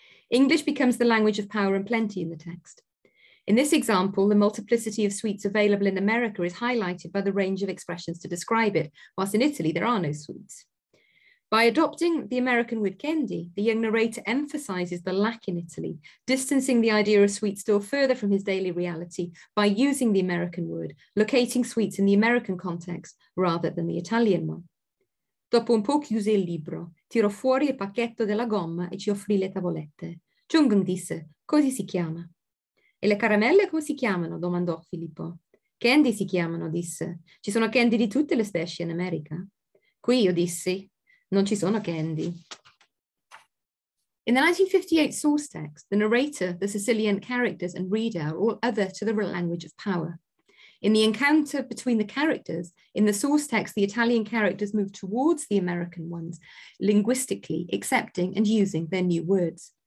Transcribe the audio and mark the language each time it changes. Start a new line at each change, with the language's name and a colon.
English: English becomes the language of power and plenty in the text. In this example, the multiplicity of sweets available in America is highlighted by the range of expressions to describe it, whilst in Italy there are no sweets. By adopting the American word candy, the young narrator emphasizes the lack in Italy, distancing the idea of sweets still further from his daily reality by using the American word, locating sweets in the American context rather than the Italian one.
Italian: Dopo un po' chiuse il libro, tirò fuori il pacchetto della gomma e ci offrì le tavolette. Chungun disse, così si chiama. E le caramelle come si chiamano? Domandò Filippo. Candy si chiamano, disse. Ci sono candy di tutte le specie in America. Qui, io dissi, non ci sono candy.
English: In the 1958 source text, the narrator, the Sicilian characters and reader are all other to the language of power. In the encounter between the characters, in the source text, the Italian characters move towards the American ones, linguistically accepting and using their new words.